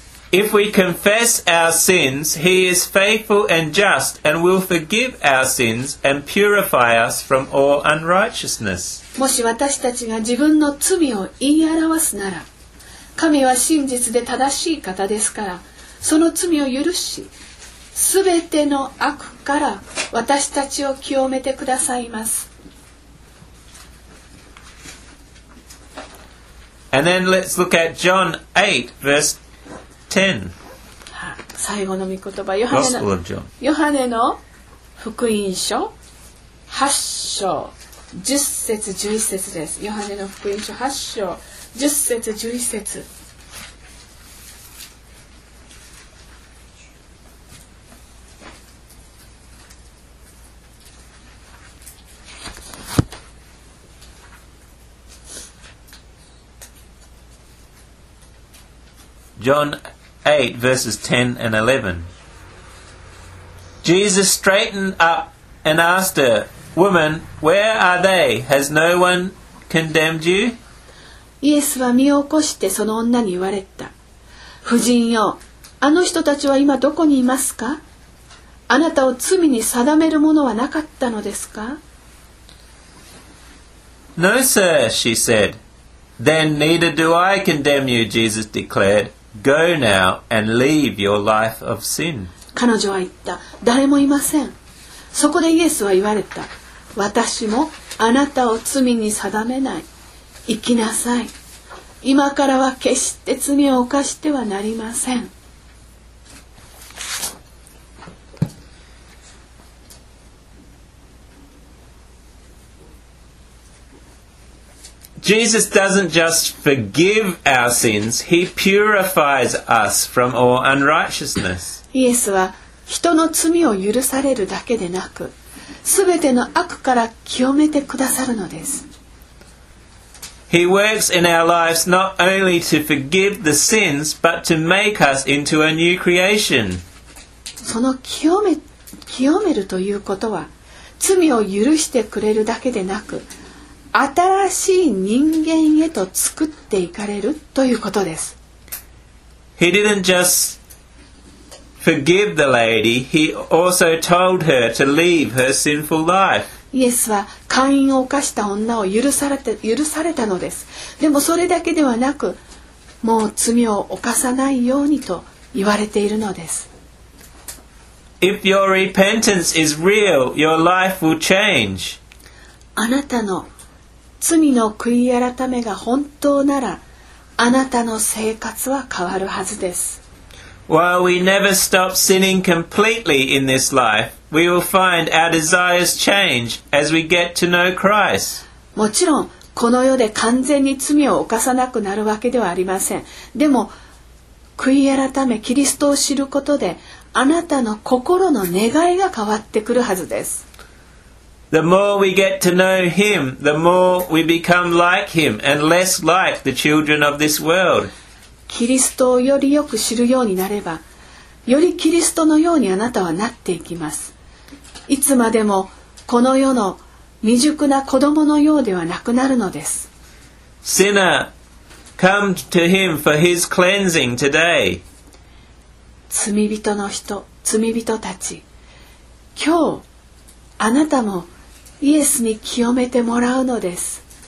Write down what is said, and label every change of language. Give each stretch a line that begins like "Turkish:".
English: If we confess our sins, he is faithful and just and will forgive our sins and purify us from all unrighteousness.
Japanese: もし私たちが自分の罪を言い表すなら、神は真実で正しい方ですから、その罪を許し、すべての悪から私たちを清めてくださいます。
English: And then let's look at John 8, verse 10.
Japanese: 最後の御言葉、ヨハネの福音書8章10節11節です。ヨハネの福音書8章10節11節。
English: John 8, verses 10 and 11. Jesus straightened up and asked her, Woman, where are they? Has no one condemned you?
Japanese: イエスは身を起こしてその女に言われた。婦人よ、あの人たちは今どこにいますか？あなたを罪に定めるものはなかったのですか？
English: No, sir, she said. Then neither do I condemn you, Jesus declared. Go now and leave your life of sin.
Japanese: 彼女は言った。誰もいません。そこでイエスは言われた。私もあなたを罪に定めない。行きなさい。今からは決して罪を犯してはなりません。
English: Jesus doesn't just forgive our sins, he purifies us from all unrighteousness.
Japanese: イエスは人の罪を許されるだけでなく、すべての悪から清めてくださるのです。
English: He works in our lives not only to forgive the sins, but to make us into a new creation.
Japanese: その清め、清めるということは、罪を許してくれるだけでなく、新しい人間へと作っていかれるということです。
English: He didn't just forgive the lady, he also told her to leave her sinful life.
Japanese: イエスは姦淫を犯した女を許されたのです。でもそれだけではなく、もう罪を犯さないようにと言われているのです。
English: If your repentance is real, your life will change.
Japanese: あなたの罪の悔い改めが本当なら、あなたの生活は変わるはずです。
English: While we never stop sinning completely in this life, we will find our desires change as we get to know Christ.
Japanese: もちろん、この世で完全に罪を犯さなくなるわけではありません。でも、悔い改め、キリストを知ることで、あなたの心の願いが変わってくるはずです。
English: The more we get to know Him, the more we become like Him and less like the children of this world.
Japanese: キリストをよりよく知るようになれば、よりキリストのようにあなたはなっていきます。いつまでもこの世の未熟な子供のようではなくなるのです。
English: Sinner, come to Him for His cleansing today.
Japanese: 罪人の人、罪人たち、今日あなたもイエスに清めてもらうのです。